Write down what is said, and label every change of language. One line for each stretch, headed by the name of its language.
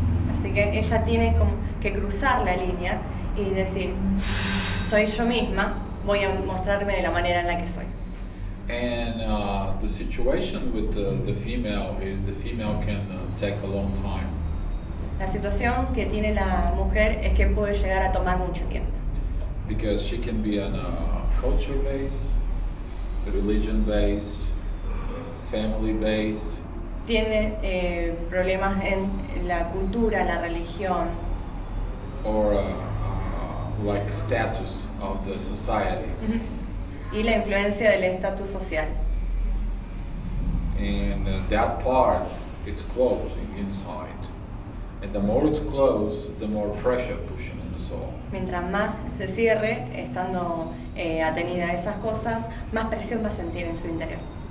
Spanish: Así que ella tiene que cruzar la línea y decir, soy yo misma, voy a mostrarme de la manera en la que soy.
English: And the situation with the female is the female can take a long time.
Spanish: La situación que tiene la mujer es que puede llegar a tomar mucho tiempo.
English: Because she can be on a culture base. Religion base, family base.
Spanish: Tiene problemas en la cultura, la religión.
English: or like status of the society.
Spanish: Y la influencia del estatus social.
English: And that part, it's closed inside. And the more it's closed, the more pressure pushing in the soul.
Spanish: Mientras más se cierre, estando atenida a esas cosas, más presión va a sentir en su interior.